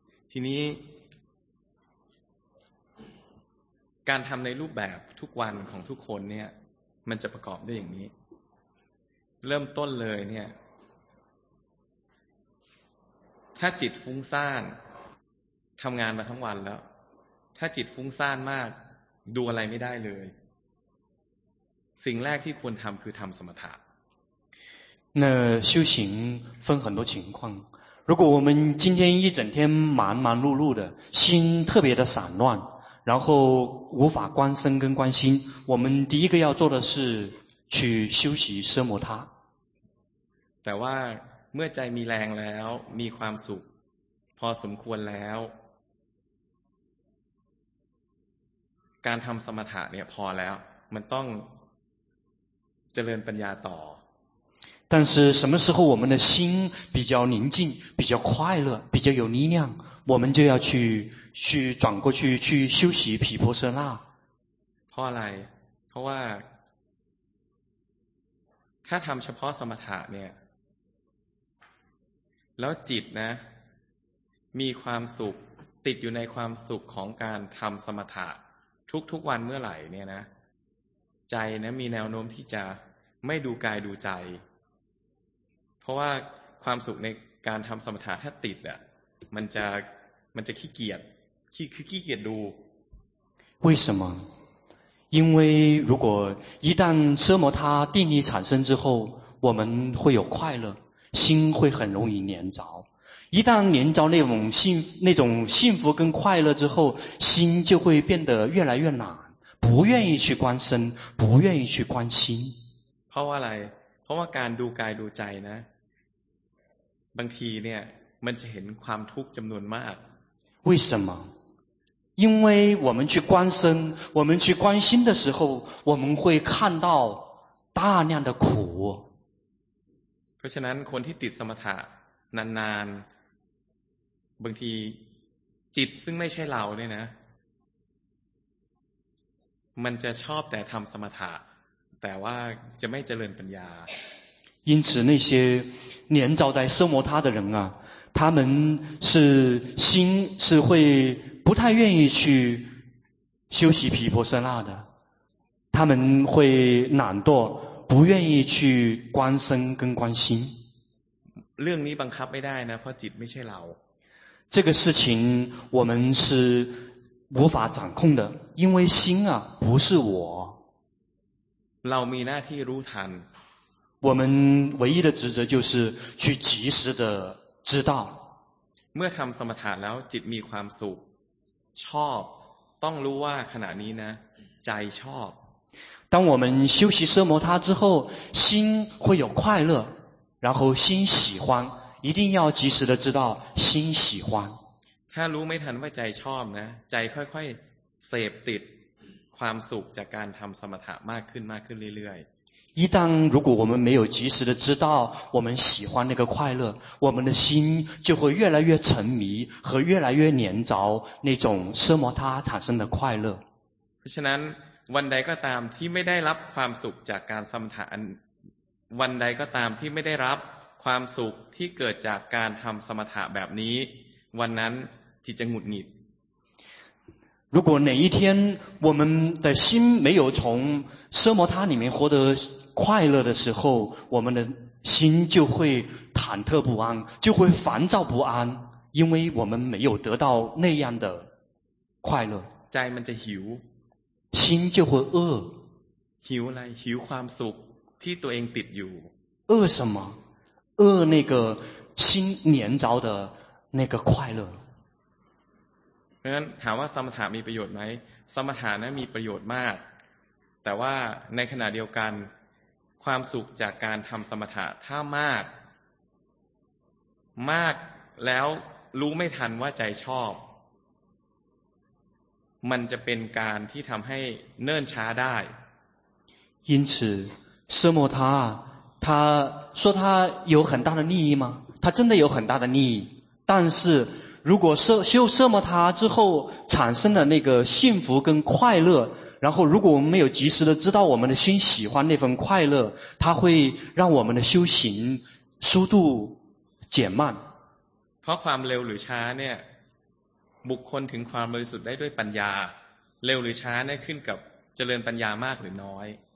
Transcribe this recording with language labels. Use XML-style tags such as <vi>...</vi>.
<th>ทีนี้การทำในรูปแบบทุกวันของทุกคนเนี่ยมันจะประกอบด้วยอย่างนี้เริ่มต้นเลยเนี่ยถ้าจิตฟุ้งซ่านทำงานมาทั้งวันแล้วถ้าจิตฟุ้งซ่านมากดูอะไรไม่ได้เลยสิ่งแรกที่ควรทำคือทำสมถะ</th> <zh>那修行分很多情况如果我们今天一整天忙忙碌碌的心特别的散乱然后无法观身跟观心我们第一个要做的是去修习奢摩他</zh> <th>แต่ว่าเมื่อใจมีแรงแล้วมีความสุขพอสมควรแล้วการทำสมถะเนี่ยพอแล้วมันต้องเจริญปัญญาต่อ</th> <zh>但是什么时候我们的心比较宁静比较快乐比较有力量我们就要去转过去休息毗婆舍那</zh> <th>เพราะอะไรเพราะว่าถ้าทำเฉพาะสมถะเนี่ยแล้วจิตนะมีความสุขติดอยู่ในความสุขของการทำสมถะทุกๆวันเมื่อไหร่เนี่ยนะใจนะมีแนวโน้มที่จะไม่ดูกายดูใจเพราะว่าความสุขในการทำสมถะถ้าติดอ่ะมันจะขี้เกียจขี้เกียจดู</th> <zh>为什么因为如果一旦奢摩他定力产生之后我们会有快乐心会很容易黏着一旦黏着那种幸福跟快乐之后心就会变得越来越懒不愿意去观身不愿意去观心</zh> <th>เพราะว่าอะไรเพราะว่าการดูกายดูใจนะบางทีเนี่ยมันจะเห็นความทุกข์จำนวนมาก</th> <zh>为什么因为我们去观身我们去观心的时候我们会看到大量的苦</zh> <th>เพราะฉะนั้นคนที่ติดสมถะนานๆบางทีจิตซึ่งไม่ใช่เราเนี่ยนะมันจะชอบแต่ทำสมถะแต่ว่าจะไม่เจริญปัญญา</th> <zh>因此那些黏着在奢摩他的人啊他们是心是会不太愿意去修习毗婆舍那的他们会懒惰不愿意去观身跟观心</zh> <th>เรื่องนี้บังคับไม่ได้นะเพราะจิตไม่ใช่เรา</th> <zh>这个事情我们是无法掌控的因为心啊不是我</zh> <th>เรามีหน้าที่รู้ทัน</th> <zh>我们唯一的职责就是去及时的知道</zh> <th>เมื่อทำสมถะแล้วจิตมีความสุขชอบต้องรู้ว่าขณะนี้นะใจชอบ</th> <zh>当我们修习奢摩他之后心会有快乐然后心喜欢一定要及时的知道心喜欢</zh> <th>ถ้ารู้ไม่ทันว่าใจชอบนะใจค่อยๆเสพติดความสุขจากการทำสมถะมากขึ้นมากขึ้นเรื่อย</th> <zh>ๆ一旦如果我们没有及时的知道我们喜欢那个快乐我们的心就会越来越沉迷和越来越黏着那种奢摩他产生的快乐</zh> <th>เพราะฉะนั้นวันใดก็ตามที่ไม่ได้รับความสุขจากการสมถะวันใดก็ตามที่ไม่ได้รับความสุขที่เกิดจากการทำสมถะแบบนี้วันนั้นจิตจะหงุดหงิด</th> <zh>如果哪一天我们的心没有从奢摩他里面获得快乐的时候我们的心就会忐忑不安就会烦躁不安因为我们没有得到那样的快乐在我们的心心就会饿心来心</zh> <th>ความสุขที่ตัวเองติดอยู่</th> <zh>饿什么饿那个心黏着的那个快乐</zh> <th>เพราะฉะนั้นถามว่าสมถะมีประโยชน์ไหมสมถะนั้นมีประโยชน์มากแต่ว่าในขณะเดียวกันความสุขจากการทำสมถะถ้ามากมากแล้วรู้ไม่ทันว่าใจชอบมันจะเป็นการที่ทำให้เนิ่นช้าได้</th> <zh>因此奢摩他他说他有很大的利益吗他真的有很大的利益但是如果修奢摩他之后产生的那个幸福跟快乐然后如果我们没有及时的知道我们的心喜欢那份快乐它会让我们的修行速度减慢</zh> <th>เพราะความเร็วหรือช้าเนี่ยบุคคลถึงความบริสุทธิ์ได้ด้วยปัญญาเร็วหรือช้าเนี่ยขึ้นกับเจริญปัญญามากหรือน้อย</th>